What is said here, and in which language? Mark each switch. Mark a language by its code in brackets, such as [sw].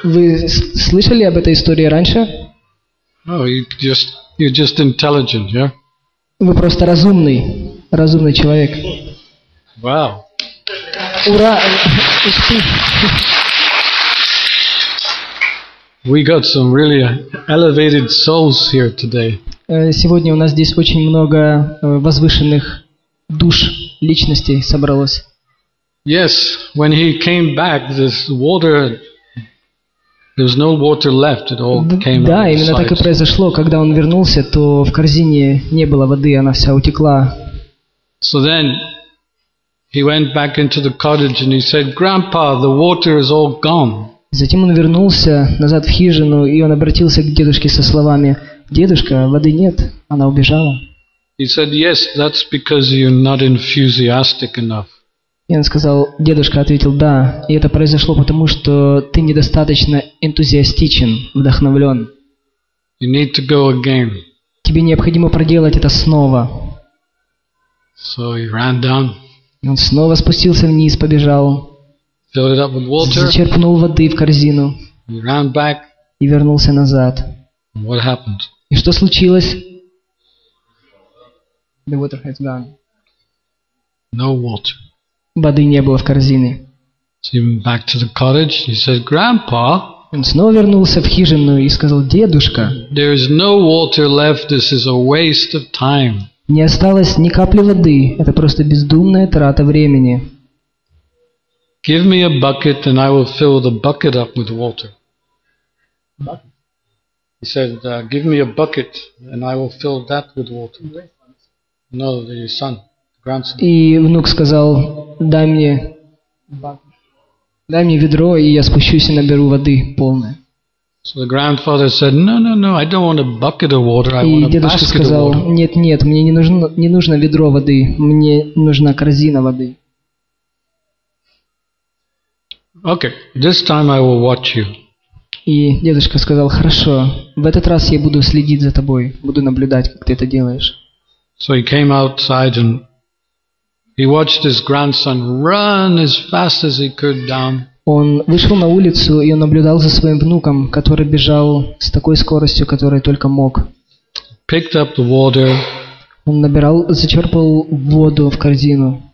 [ru] Вы слышали об этой истории раньше? [en] Oh, you're just intelligent, yeah? [ru] Вы просто разумный. Разумный человек. [en] Wow. [ru] Ура! [en] We got some really elevated souls here today. [ru] Сегодня у нас здесь очень много возвышенных душ, личностей собралось. [en] Yes, when he came back, this water, there was no water left, it all came out. [ru] Да, именно так и произошло. Когда он вернулся, то в корзине не было воды, она вся утекла. [en] So then he went back into the cottage and he said, "Grandpa, the water is all gone." [ru] Затем он вернулся назад в хижину, и он обратился к дедушке со словами: "Дедушка, воды нет, она убежала." [en] He said, "Yes, that's because you're not enthusiastic enough." [ru] И он сказал, дедушка ответил: "Да, и это произошло потому, что ты недостаточно энтузиастичен, вдохновлен. [en] You need to go again." [ru] Тебе необходимо проделать это снова. [en] So he ran down. [ru] И он снова спустился вниз, побежал. [en] Filled it up with water. [ru] Зачерпнул воды в корзину. [en] He ran back. [ru] И вернулся назад. [en] And what happened? [ru] И что случилось? [en] The water has gone. No water. [ru] Воды не было в корзине. [en] So he went back to the cottage. He said, "Grandpa." [ru] Он снова вернулся в хижину и сказал: "Дедушка." [en] There is no water left. This is a waste of time. [ru] Не осталось ни капли воды. Это просто бездумная трата времени. [en] Give me a bucket and I will fill the bucket up with water. He said, "Give me a bucket and I will fill that with water." No, the son, grandson. [ru] И внук сказал: "Дай мне ведро, и я спущусь и наберу воды полное." [en] So the grandfather said, no, I don't want a bucket of water, I want a basket of water. [ru] Сказал, нет, мне не нужно ведро воды, мне нужна корзина воды. [en] Okay, this time I will watch you. [ru] И дедушка сказал, хорошо, в этот раз я буду следить за тобой, буду наблюдать, как ты это делаешь. [en] So he came outside and he watched his grandson run as fast as he could down. [ru] Он вышел на улицу, и он наблюдал за своим внуком, который бежал с такой скоростью, которой только мог. [en] Picked up the water. [ru] Он набирал, зачерпывал воду в корзину.